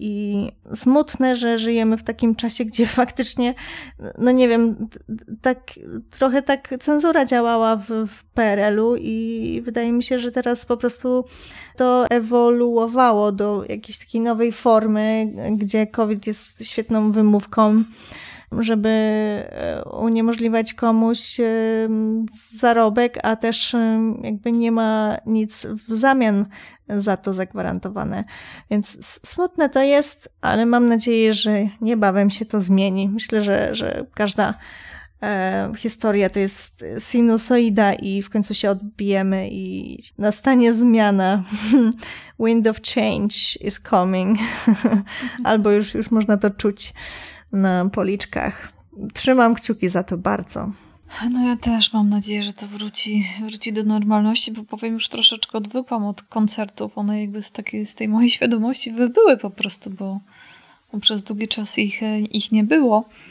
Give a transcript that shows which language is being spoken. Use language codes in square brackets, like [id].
[pl] I smutne, że żyjemy w takim czasie, gdzie faktycznie, no nie wiem, tak trochę tak cenzura działała w PRL-u i wydaje mi się, że teraz po prostu to ewoluowało do jakiejś takiej nowej formy, gdzie COVID jest świetną wymówką, żeby uniemożliwiać komuś zarobek, a też jakby nie ma nic w zamian za to zagwarantowane. Więc smutne to jest, ale mam nadzieję, że niebawem się to zmieni. Myślę, że każda historia to jest sinusoida i w końcu się odbijemy i nastanie zmiana. [en] Wind of change is coming. [pl] Albo już można to czuć na policzkach. Trzymam kciuki za to bardzo. No ja też mam nadzieję, że to wróci do normalności, bo powiem, już troszeczkę odwykłam od koncertów. One jakby z tej mojej świadomości wybyły po prostu, bo przez długi czas ich nie było.